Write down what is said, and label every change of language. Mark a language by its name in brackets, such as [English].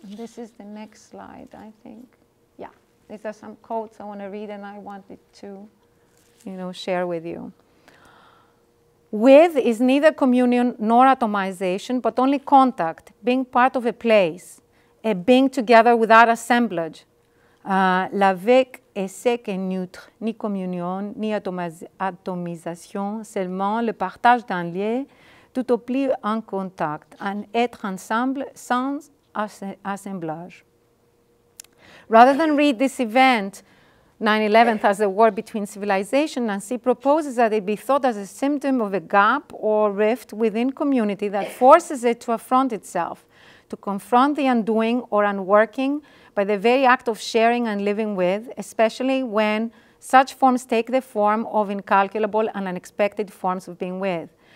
[English] And this is the next slide, I think. Yeah, these are some quotes I want to read and I wanted to, you know, share with you. With is neither communion nor atomization, but only contact, being part of a place, a being together without assemblage. [French] L'avec est sec et neutre, ni communion, ni atomisation, seulement le partage d'un lieu, tout au plus en contact, un être ensemble sans assemblage. [English] Rather than read this event, 9/11, as a war between civilization, Nancy proposes that it be thought as a symptom of a gap or rift within community that forces it to affront itself, to confront the undoing or unworking by the very act of sharing and living with, especially when such forms take the form of incalculable and unexpected forms of being with.